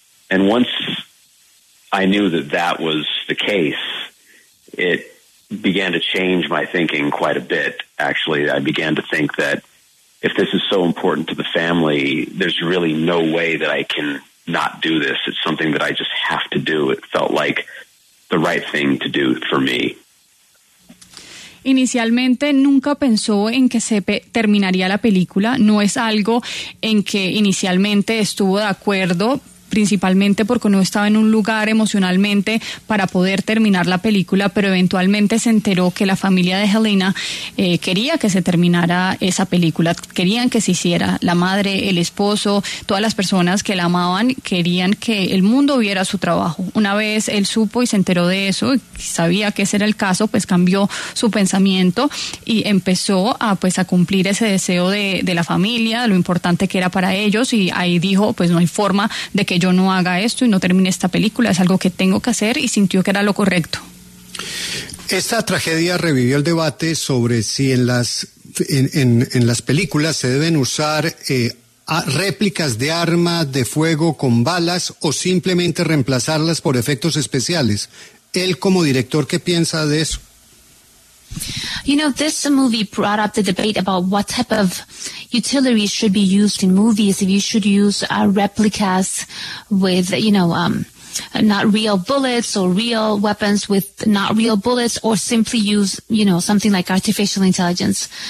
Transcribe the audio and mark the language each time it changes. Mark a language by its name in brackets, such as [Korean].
[English] And once I knew that that was the case, it began to change my thinking quite a bit, actually. I began to think that if this is so important to the family, there's really no way that I can not do this. It's something that I just have to do. It felt like the right thing to do for me. [Spanish] Inicialmente nunca pensó en que se terminaría la película. No es algo en que inicialmente estuvo de acuerdo, principalmente porque no estaba en un lugar emocionalmente para poder terminar la película, pero eventualmente se enteró que la familia de Helena quería que se terminara esa película, querían que se hiciera. La madre, el esposo, todas las personas que la amaban querían que el mundo viera su trabajo. Una vez él supo y se enteró de eso y sabía que ese era el caso, pues cambió su pensamiento y empezó a cumplir ese deseo de la familia, lo importante que era para ellos, y ahí dijo, pues no hay forma de que yo no haga esto y no termine esta película, es algo que tengo que hacer, y sintió que era lo correcto. Esta tragedia revivió el debate sobre si en las películas se deben usar réplicas de armas de fuego con balas o simplemente reemplazarlas por efectos especiales. Él, como director, ¿qué piensa de eso? [English] You know, this movie brought up the debate about what type of utility should be used in movies, if you should use replicas with, you know, not real bullets, or real weapons with not real bullets, or simply use, you know, something like artificial intelligence.